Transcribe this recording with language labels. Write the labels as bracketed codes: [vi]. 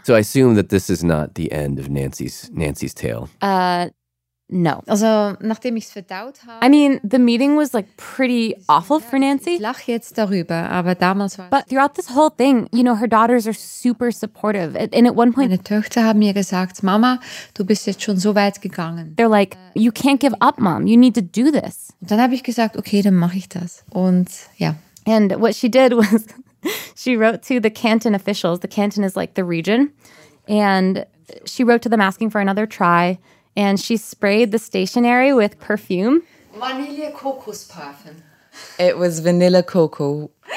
[en] So I assume that this is not the end of Nancy's tale. No. [de] Also, nachdem ich's verdaut habe, [en] I mean, the meeting was like pretty awful for Nancy. [de] Ich lache jetzt darüber, aber damals war [en] but throughout this whole thing, you know, her daughters are super supportive. And at one point, [de] meine Töchter haben mir gesagt, Mama, du bist jetzt schon so weit gegangen. [en] They're like, you can't give up, Mom. You need to do this. [de] Und dann habe ich gesagt, okay, dann mache ich das. Und ja. [en] And what she did was she wrote to the Canton officials. The Canton is like the region. And she wrote to them asking for another try. And she sprayed the stationery with perfume. [de] Vanille Kokos Parfum. [en] It was vanilla cocoa.